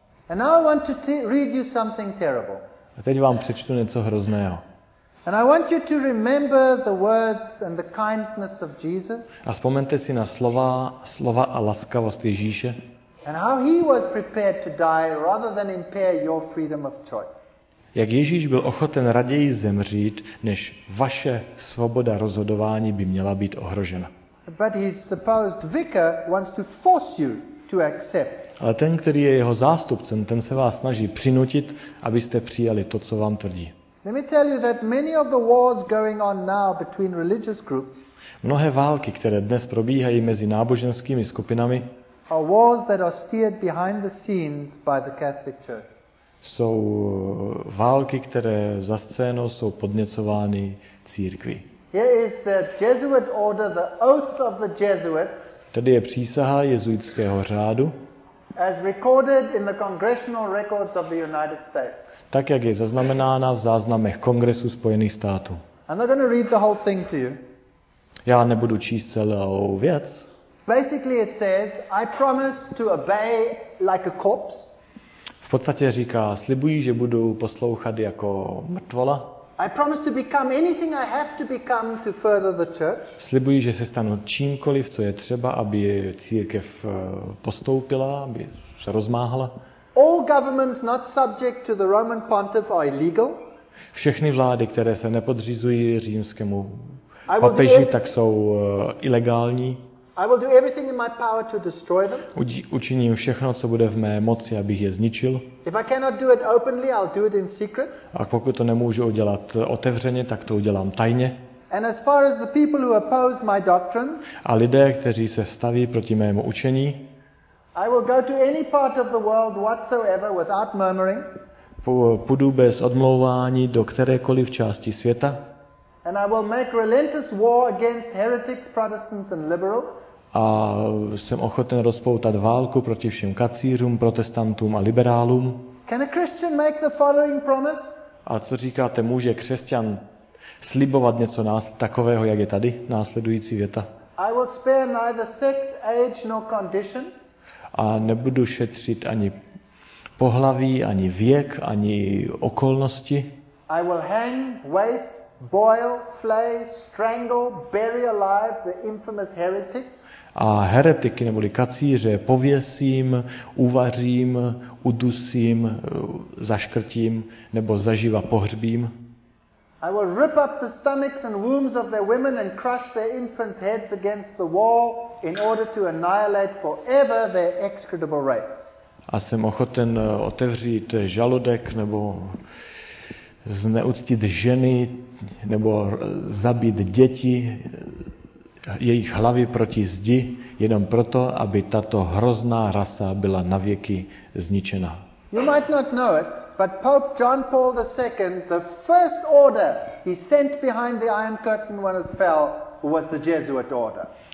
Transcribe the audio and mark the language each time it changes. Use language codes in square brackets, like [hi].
[en] And I want to read you something terrible. [cs] A teď vám přečtu něco hrozného. [en] And I want you to remember the words and the kindness of Jesus. [cs] A vzpomeňte si na slova a laskavost Ježíše. [en] And how he was prepared to die rather than impair your freedom of choice. [cs] Jak Ježíš byl ochoten raději zemřít, než vaše svoboda rozhodování by měla být ohrožena. [en] But his supposed vicar wants to force you to accept. [cs] Ale ten, který je jeho zástupcem, ten se vás snaží přinutit, abyste přijali to, co vám tvrdí. [en] Let me tell you that many of the wars going on now between religious groups. [cs] Mnohé války, které dnes probíhají mezi náboženskými skupinami, [en] are wars that are steered behind the scenes by the Catholic Church. [cs] Jsou války, které za scénou jsou podněcovány církví. [en] Here is the Jesuit order, the oath of the Jesuits. [cs] Tady je přísaha jezuitského řádu. [en] As recorded in the congressional records of the United States. [cs] Tak jak je zaznamenána v záznamech Kongresu Spojených států. [en] I'm not going to read the whole thing to you. [cs] Já nebudu číst celou věc. [en] Basically it says, I promise to obey like a corpse. [cs] V podstatě říká, slibuji, že budu poslouchat jako mrtvola. [en] I promise to become anything I have to become to further the church. [cs] Slibuji, že se stanu čímkoliv, co je třeba, aby církev postoupila, aby se rozmáhla. [en] All governments not subject to the Roman pontiff are illegal. [cs] Všechny vlády, které se nepodřizují římskému papeži, tak jsou ilegální. [en] I will do everything in my power to destroy them. [cs] Učiním všechno, co bude v mé moci, abych je zničil. [en] If I cannot do it openly, I'll do it in secret. [cs] A pokud to nemůžu udělat otevřeně, tak to udělám tajně. [en] And as far as the people who oppose my doctrine, [cs] a lidé, kteří se staví proti mému učení, [en] I will go to any part of the world whatsoever without murmuring. [cs] Půjdu bez odmlouvání do kterékoliv části světa. [en] And I will make relentless war against heretics, Protestants and liberals. [cs] A jsem ochoten rozpoutat válku proti všem kacířům, protestantům a liberálům. [en] Can a Christian make the following promise? [cs] A co říkáte, může křesťan slibovat něco takového, jak je tady následující věta? [en] I will spare neither sex, age nor condition. [cs] A nebudu šetřit ani pohlaví, ani věk, ani okolnosti. [en] I will hang, waste, boil, flay, strangle, bury alive the infamous heretics. [cs] A heretiky neboli kacíře pověsím, uvařím, udusím, zaškrtím nebo zaživa pohřbím. [en] I will rip up the stomachs and wombs of their women and crush their infants' heads against the wall in order to annihilate forever their execrable race. [cs] A jsem ochoten otevřít žaludek nebo zneuctit ženy nebo zabít děti, jejich hlavy proti zdi, jenom proto, aby tato hrozná rasa byla navěky zničena. [en] You might not know it, but Pope John Paul II, the first order he sent behind the Iron Curtain when it fell, was the Jesuit order.